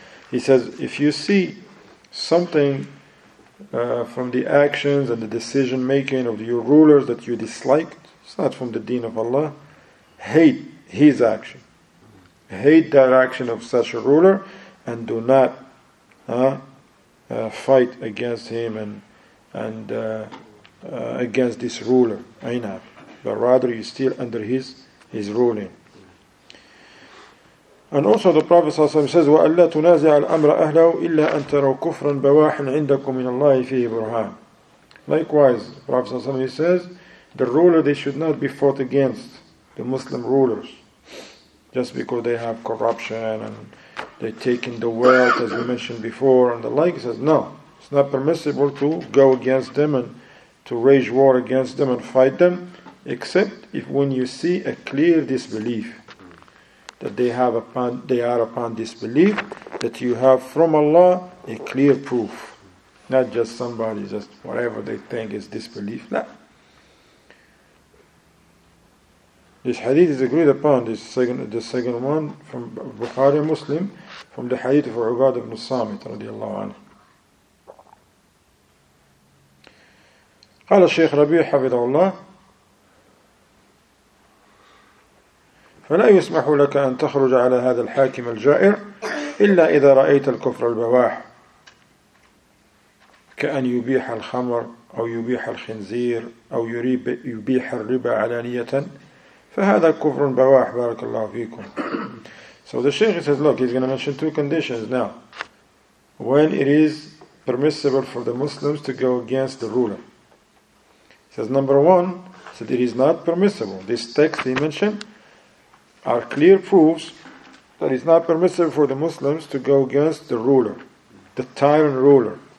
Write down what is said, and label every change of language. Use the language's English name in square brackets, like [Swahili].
[English] He says, if you see something from the actions and the decision making of your rulers that you dislike, it's not from the deen of Allah, hate his action. Hate that action of such a ruler and do not fight against him and against this ruler, Aynab. But rather you're still under his ruling. [Arabic] And also the Prophet says, وَأَلَّا تُنَازِعَ الْأَمْرَ أَهْلَهُ إِلَّا أَن تَرَوْا كُفْرًا بَوَاحًا عِنْدَكُمْ مِنَ اللَّهِ فِيهِ بُرْهَانٌ. [English] Likewise, Prophet says, the ruler, they should not be fought against, the Muslim rulers, just because they have corruption and they're taking the wealth, as we mentioned before, and the like. He says, no, it's not permissible to go against them and to wage war against them and fight them, except if when you see a clear disbelief, that they are upon disbelief, that you have from Allah a clear proof. Not just somebody, just whatever they think is disbelief. No. This hadith is agreed upon, the second one from Bukhari Muslim, from the hadith of Ubad ibn Samit, radiallahu anhu. [Arabic] قال الشيخ ربيع حفظه الله فلا يسمح لك أن تخرج على هذا الحاكم الجائر إلا إذا رأيت الكفر البواح كأن يبيح الخمر أو يبيح الخنزير أو يبيح الربا علانية فهذا كفر بواح بارك الله فيكم. [English] So the Sheikh says, look, he's going to mention two conditions now. When it is permissible for the Muslims to go against the ruler. Says number one, said it is not permissible. This text he mentioned are clear proofs that it's not permissible for the Muslims to go against the ruler, the tyrant ruler.